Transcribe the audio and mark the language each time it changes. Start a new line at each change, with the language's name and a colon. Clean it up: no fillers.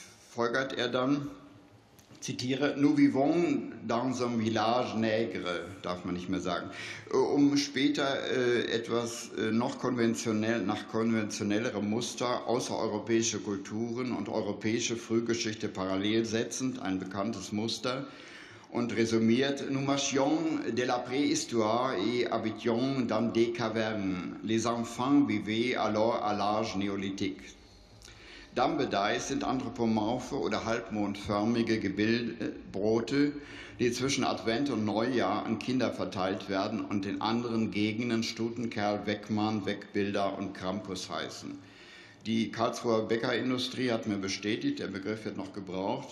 German: Folgert er dann, zitiere,
French: nous vivons dans un village nègre,
German: darf man nicht mehr sagen, um später etwas noch konventionell, nach konventionellerem Muster außereuropäische Kulturen und europäische Frühgeschichte parallel setzend, ein bekanntes Muster, und resümiert,
French: nous marchions de la préhistoire et habitions dans des cavernes. Les enfants vivaient alors à l'âge néolithique.
German: Dambedeis sind anthropomorphe oder halbmondförmige Gebilde, die zwischen Advent und Neujahr an Kinder verteilt werden und in anderen Gegenden Stutenkerl, Weckmann, Weckbilder und Krampus heißen. Die Karlsruher Bäckerindustrie hat mir bestätigt, der Begriff wird noch gebraucht.